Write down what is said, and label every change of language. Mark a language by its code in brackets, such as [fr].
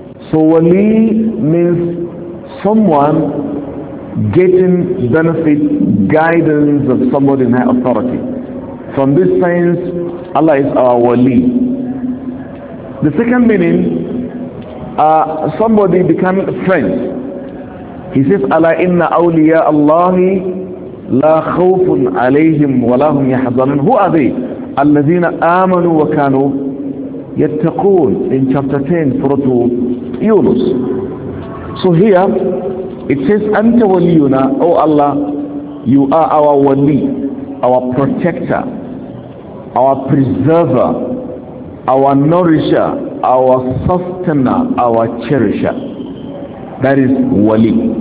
[en] So wali means someone getting benefit, guidance of somebody in high authority. From this sense, Allah is our wali. The second meaning, somebody becoming a friend. He says, [ar] أَلَا إِنَّ أَوْلِيَاءَ اللَّهِ لا خوف عليهم ولا هم يحزنون. [en] Who are they? [ar] الذين آمنوا وكانوا يتقون. [en] In chapter 10, surah to Yunus. So here it says, [ar] أنت ولينا, [en] O Allah, you are our wali, our protector, our preserver, our nourisher, our sustainer, our cherisher. That is wali.